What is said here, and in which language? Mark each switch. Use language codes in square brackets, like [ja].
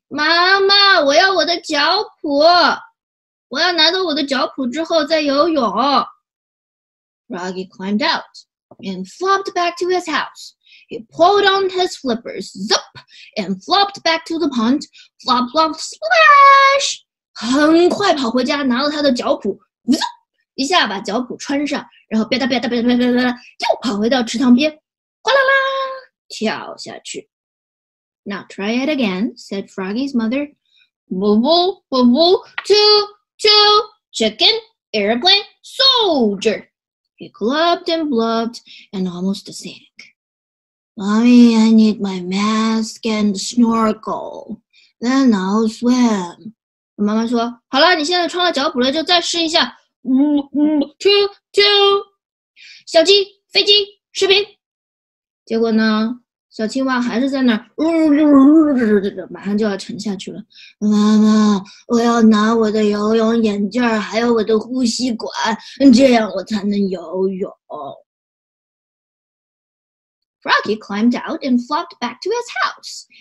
[zh] 妈妈，我要我的脚蹼，我要拿到我的脚蹼之后再游泳。 [en] Froggy climbed out and flopped back to his house. He pulled on his flippers, zip, and flopped back to the pond. Flop, flop, splash! [zh] 很快跑回家，拿了他的脚蹼， zip, 一下把脚蹼穿上，然后别打别打别打别打别打，又跑回到池塘边，哗啦啦。跳下去。 [en] Now try it again, said Froggy's mother. Bubble, bubble, two, two, chicken, airplane, soldier. He clubbed and blubbed and almost sank. Mommy, I need my mask and snorkel. Then I'll swim. [zh] 妈妈说，好了，你现在穿了脚蹼了，就再试一下。 [en] Two, two, [zh] 小鸡、飞机、士兵。结果呢，小青蛙还是在那儿，马上就要沉下去了。妈妈，我要拿我的游泳眼镜还有我的呼吸管，这样我才能游泳。 [en] Froggy climbed out and flopped back to his house.